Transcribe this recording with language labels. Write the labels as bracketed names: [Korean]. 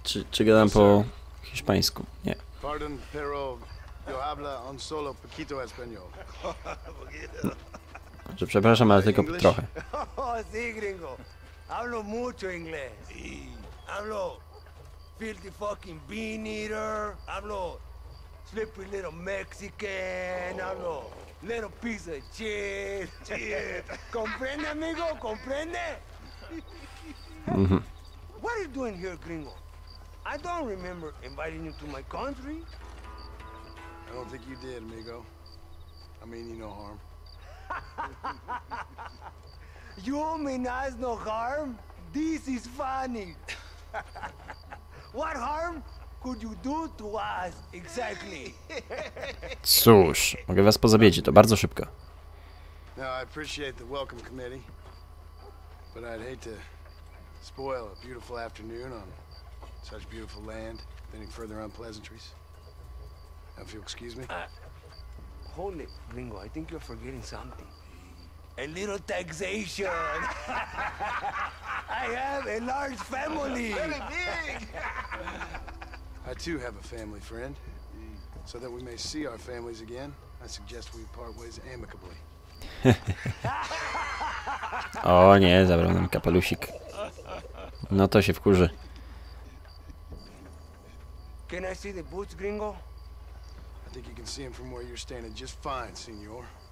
[Polish] Czy gadam po hiszpańsku? Nie. [Spanish] Pardon, pero yo habla un solo poquito español. [Polish] Że przepraszam, ale tylko trochę. [Spanish] Si, gringo. Hablo mucho inglés. Hablo [English] filthy fucking bean eater. [Spanish] Hablo [English] slippery little Mexican. [Spanish] Hablo [English] little piece of shit. [Spanish] Comprende, amigo? Comprende? [English] What are you doing here, gringo? I don't remember inviting you to my country. I don't think you did, amigo. I mean you no harm. You mean us no harm? This is funny. What harm could you do to us exactly? [Polish] Cóż, mogę was pozabić, to bardzo szybko. [English] No, I appreciate the welcome committee, but I'd hate to spoil a beautiful afternoon on such beautiful land with any further unpleasantries. Now, if you'll excuse me. Hold it, gringo. I think you're forgetting something. A little taxation. I have a large family. Very big. I too have a family, friend. So that we may see our families again, I suggest we part ways amicably. [Polish] O nie, zabrał nam kapelusik. No to się wkurzy. [English] Can I see the boots, gringo? I think you can see them from where you're standing just fine, senor.